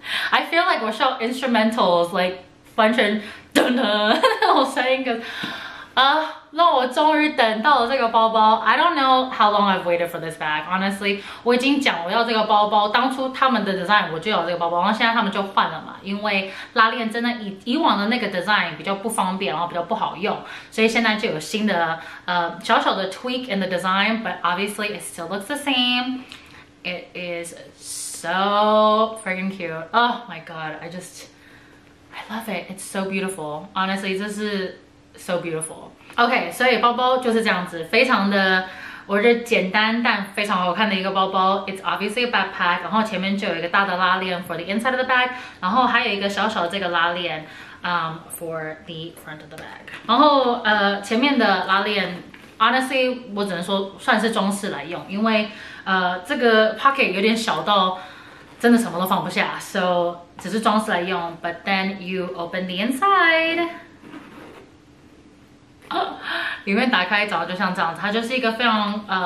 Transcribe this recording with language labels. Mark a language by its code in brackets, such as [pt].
[en] I feel like [zh] 我需要 instrumentals like 完全噔噔那种声音，让我终于等到了这个包包。 [en] I don't know how long I've waited for this bag honestly。 [zh] 我已经讲我要这个包包，当初他们的 design 我就要这个包包，然后现在他们就换了嘛，因为拉链真的 以往的那个 design 比较不方便，然后比较不好用，所以现在就有新的小小的 [en] tweak in the design， but obviously it still looks the same。 It is so freaking cute， oh my god， I love it， it's so beautiful honestly， [zh] 这是 [en] So beautiful. [zh] OK， 所以包包就是这样子，非常的，我觉得简单但非常好看的一个包包。 [en] It's obviously a backpack， [zh] 然后前面就有一个大的拉链 [en] for the inside of the bag， [zh] 然后还有一个小小的这个拉链 [en] for the front of the bag。 [zh] 然后前面的拉链 honestly 我只能说算是装饰来用，因为这个 pocket 有点小到真的什么都放不下， so 只是装饰来用。 [en] But then you open the inside， [zh] 里面打开找就像这样子，它就是一个非常